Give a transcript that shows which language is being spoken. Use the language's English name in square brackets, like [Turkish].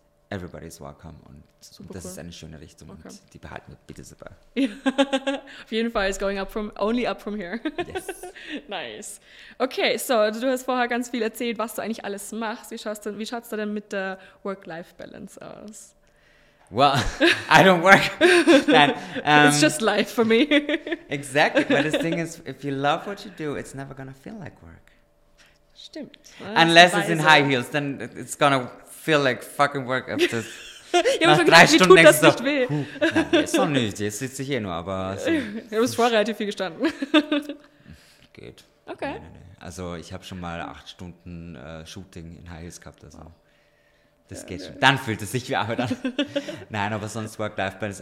[English] Everybody's welcome [German] und super das cool. ist eine schöne Richtung und die behalten wir bitte super. Auf jeden Fall, [English] it's going up from, only up from here. Yes. Nice. [German] Okay, so du hast vorher ganz viel erzählt, was du eigentlich alles machst. Wie schaut es da denn mit der Work-Life-Balance aus? [English] Well, I don't work. [German] Nein, [English] it's just life for me. Exactly, but the thing is, if you love what you do, it's never gonna feel like work. [German] Stimmt. [English] Unless it's in high heels, then it's gonna... feel like fucking work after [German] ja, nach drei gesagt, Stunden. Wie tut das nicht weh? So nicht, jetzt sitze ich hier nur, aber... Du bist vorher relativ viel gestanden. Geht. Okay. Nee. Also ich habe schon mal 8 Stunden Shooting in High Heels gehabt, also das geht schon. Dann fühlt es sich wie Arbeit an. Nein, aber sonst Work-Life-Balance.